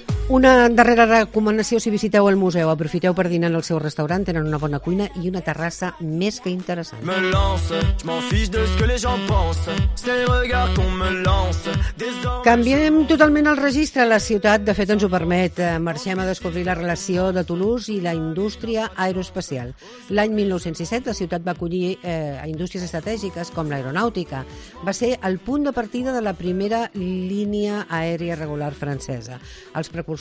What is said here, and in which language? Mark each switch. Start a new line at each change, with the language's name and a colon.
Catalan: Una darrera recomanació: si visiteu el museu, aprofiteu per dinar en el seu restaurant, tenen una bona cuina i una terrassa més que interessant.
French: Me lance, je m'en fiche de ce que les gens pensent, c'est le regard qu'on me lance.
Catalan: Canviem totalment el registre, la ciutat de fet ens ho permet. Marxem a descobrir la relació de Toulouse i la indústria aeroespacial. L'any 1907 la ciutat va acollir indústries estratègiques com l'aeronàutica. Va ser el punt de partida de la primera línia aèria regular francesa. Els precursors